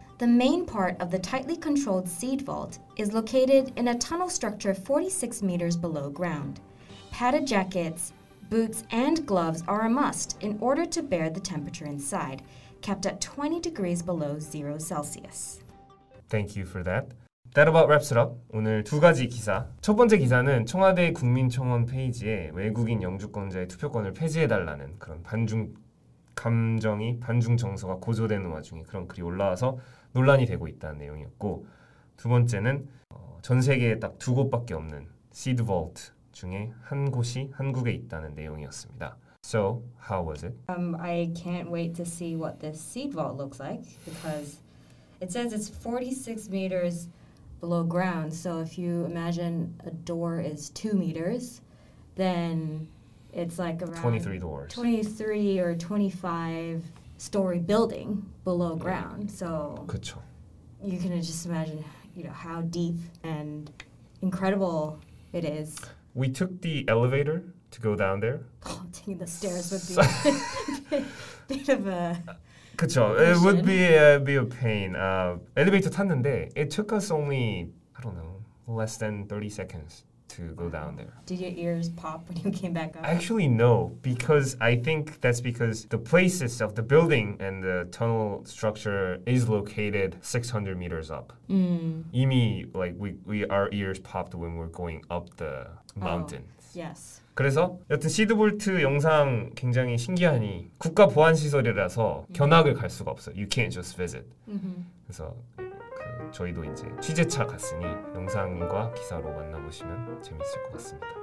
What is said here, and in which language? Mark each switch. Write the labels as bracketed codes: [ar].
[en] The main part of the tightly controlled seed vault is located in a tunnel structure 46 meters below ground. Padded jackets, boots, and gloves are a must in order to bear the temperature inside, kept at 20 degrees below 0 Celsius. Thank you for that. That about wraps it up. [ko] 오늘 두 가지 기사. 첫 번째 기사는 청와대 국민청원 페이지에 외국인 영주권자의 투표권을 폐지해달라는 그런 반중 감정이 반중 정서가 고조되는 와중에 그런 글이 올라와서 논란이 되고 있다는 내용이었고 두 번째는 전 세계에 딱 두 곳밖에 없는 seed vault 중에 한 곳이 한국에 있다는 내용이었습니다. [en] So, how was it? I can't wait to see what this seed vault looks like because it says it's 46 meters below ground. So, if you imagine a door is 2 meters, then it's like around 23 doors. 23 or 25 story building below ground. So [ko] 그쵸. [en] You can just imagine, you know, how deep and incredible it is. We took the elevator to go down there. Oh, taking the stairs would be a bit of a [ko] 그쵸. [en] It would be a pain. Elevator [ko] 탔는데 [en] it took us only, I don't know, less than 30 seconds. To go down there. Did your ears pop when you came back up? Actually, no, because I think that's because the place itself, the building and the tunnel structure is located 600 meters up. Mm. [ko] 이미, [en] like, we our ears popped when we're going up the mountain. Oh, yes. [ko] 그래서 여튼 시드볼트 영상 굉장히 신기하니 국가 보안 시설이라서 견학을 갈 수가 없어요. [en] You can't just visit. Mm-hmm. [ko] 그래서 저희도 이제 취재차 갔으니 영상과 기사로 만나보시면 재밌을 것 같습니다.